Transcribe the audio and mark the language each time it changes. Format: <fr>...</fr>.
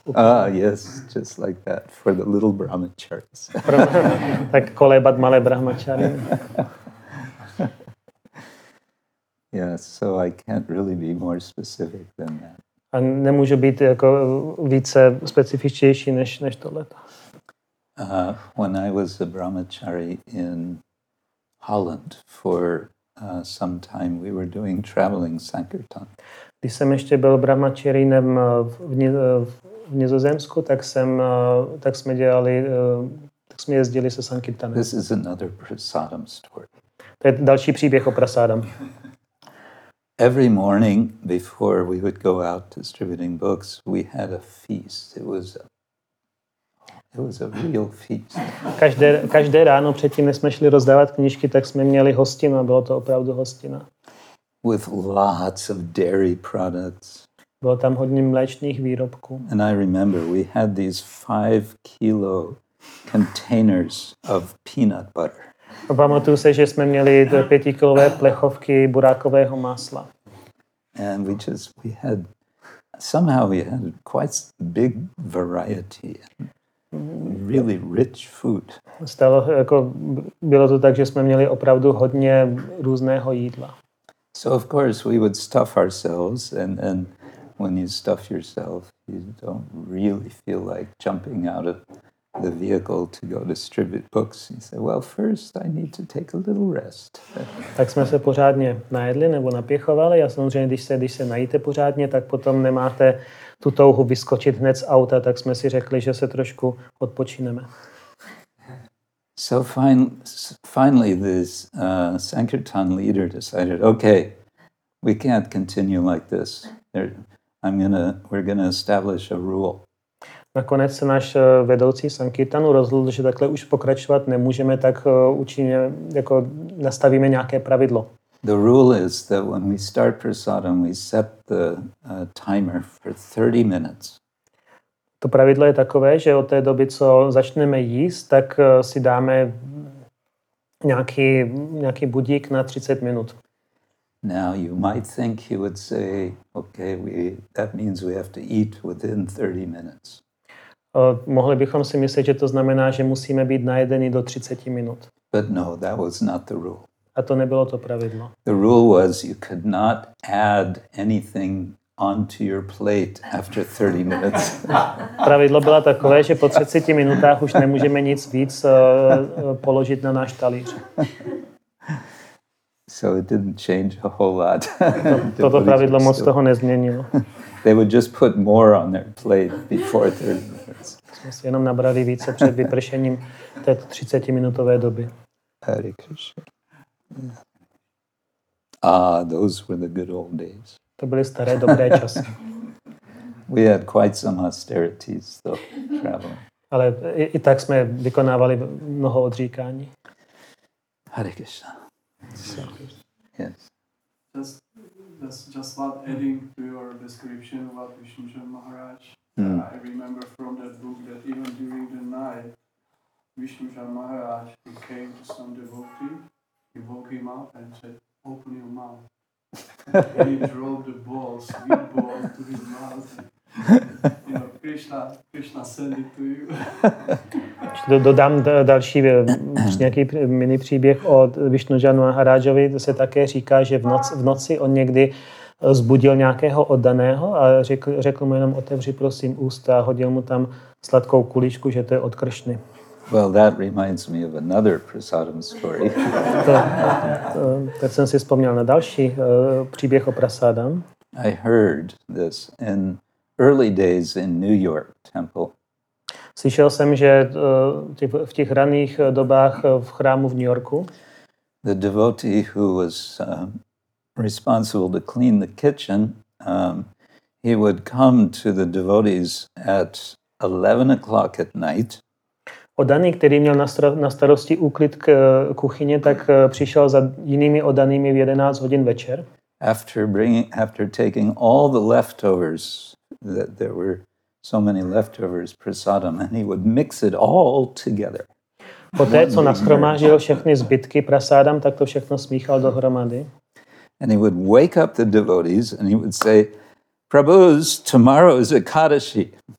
<en>Ah, yes, just like that, for the little brahmacharis.</en> <cs>Tak kolébat malé brahmacharie.</cs> <en>Yeah, so I can't really be more specific than that.</en> <cs>A nemůže být jako více specifičtější než tohleto.</cs> <en>When I was a brahmachari in Holland for some time, we were doing traveling sankirtan.</en> <cs>Když jsem ještě byl brahmacharinem v Nizozemsku, tak jsme jezdili se sankirtanem.</cs> <en>This is another prasadam story.</en> <cs>To je další příběh o prasadam.</cs> <en>Every morning before we would go out distributing books, we had a feast. It was a real feast.</en> <cs>Každé ráno předtím, než jsme šli rozdávat knížky, tak jsme měli hostinu. Bylo to opravdu hostina.</cs> <en>With lots of dairy products.</en> <cs>Bylo tam hodně mléčných výrobků.</cs> <en>And I remember we had these 5-kilo containers of peanut butter.</en> <cs>A pamatuju se, že jsme měli 5-kilové plechovky burákového másla.</cs> <en>And we had somehow we had quite big variety. Really rich food.</en> <cs>Stalo jako bylo to tak, že jsme měli opravdu hodně různého jídla.</cs> <en>So of course we would stuff ourselves, and when you stuff yourself, you don't really feel like jumping out of the vehicle to go distribute books. You say, well, first I need to take a little rest.</en> <cs>Tak jsme se pořádně najedli nebo napěchovali. A samozřejmě, když se najíte pořádně, tak potom nemáte tu touhu vyskočit hned z auta, tak jsme si řekli, že se trošku odpočineme.</cs> <en>So finally this Sankirtan leader decided, okay, we can't continue like this. We're gonna establish a rule.</en> <cs>Nakonec se náš vedoucí Sankirtanu rozhodl, že takhle už pokračovat nemůžeme, tak učiníme, jako nastavíme nějaké pravidlo.</cs> <en>The rule is that when we start prasadam, we set the timer for 30 minutes.</en> <cs>To pravidlo je takové, že od té doby, co začneme jíst, tak si dáme nějaký budík na 30 minut.</cs> <en>Now you might think he would say, okay, that means we have to eat within 30 minutes.</en> <cs>Mohli bychom si myslet, že to znamená, že musíme být najedeni do 30 minut.</cs> <en>But no, that was not the rule.</en> <cs>A to nebylo to pravidlo.</cs> <en>The rule was you could not add anything onto your plate after 30 minutes.</en> <cs>Pravidlo bylo takové, že po 30 minutách už nemůžeme nic víc položit na náš talíř.</cs> <en>So it didn't change a whole lot.</en> <cs>Toto pravidlo moc toho nezměnilo.</cs> <en>They would just put more on their plate before 30 minutes.</en> <cs>Jsme si jenom nabrali více před vypršením této 30-minutové doby.</cs> <en>Hare Krishna. Yeah. Ah, those were the good old days.</en> <cs>To byly staré dobré časy.</cs> <en>We had quite some austerities though, traveling.</en> <cs>Ale i tak jsme vykonávali mnoho odříkání.</cs> <en>Hare Krishna. So, yes. Just adding to your description about Vishnu Jana Maharaj. Mm. I remember from that book that even during the night, Vishnu Jana Maharaj, he came to some devotee, he woke him up and said, open your mouth. And he drove the ball, sweet ball, to his mouth.</en> <cs>Dodám další nějaký mini příběh o Vishnu Jana Maharajovi. To se také říká, že v noci on někdy zbudil nějakého oddaného a řekl mu jenom otevři prosím ústa a hodil mu tam sladkou kuličku, že to je od Kršny.</cs> <en>Well, that reminds me of another prasadam story.</en> <cs>Tak jsem si vzpomněl na další příběh o prasadam.</cs> <en>I heard this in early days in New York temple.</en> <cs>Slyšel jsem, že v těch raných dobách v chrámu v New Yorku.</cs> <en>The devotee who was responsible to clean the kitchen, he would come to the devotees at 11 o'clock at night.</en> <cs>Oddaný, který měl na starosti úklid k kuchyni, tak přišel za jinými oddanými v 11 hodin večer.</cs> <en>After taking all the leftovers, that there were so many leftovers, prasadam, and he would mix it all together.</en> <cs>Poté, co nashromáždil všechny zbytky prasádam, tak to všechno smíchal dohromady.</cs> <en>And he would wake up the devotees and he would say, Prabhus, tomorrow is Ekadashi.</en>